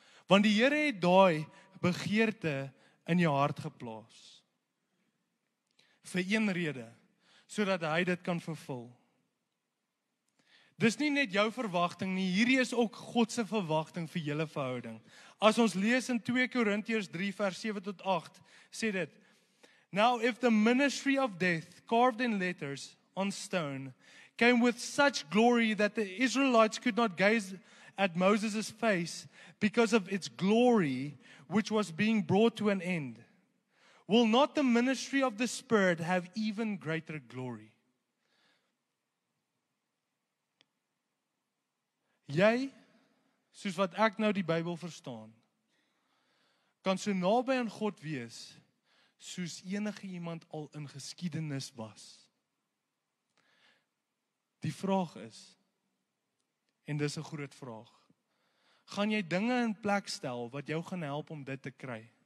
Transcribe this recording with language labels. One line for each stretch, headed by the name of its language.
Afrikaans: Want die Here het daai begeerte in jou hart geplaas. Vir een rede, sodat hy dit kan vervul. Dis nie net jou verwagting nie, hierdie is ook Godse verwagting vir julle verhouding. As ons lees in 2 Korintiërs 3 vers 7 tot 8, sê dit:
English: "Now if the ministry of death, carved in letters on stone, came with such glory that the Israelites could not gaze at Moses' face because of its glory which was being brought to an end, will not the ministry of the Spirit have even greater glory?"
Afrikaans: Jy, soos wat ek nou die Bybel verstaan, kan so naby aan God wees, soos enige iemand al in geskiedenis was. Die vraag is, en dis een groot vraag, gaan jy dinge in plek stel wat jou gaan help om dit te kry?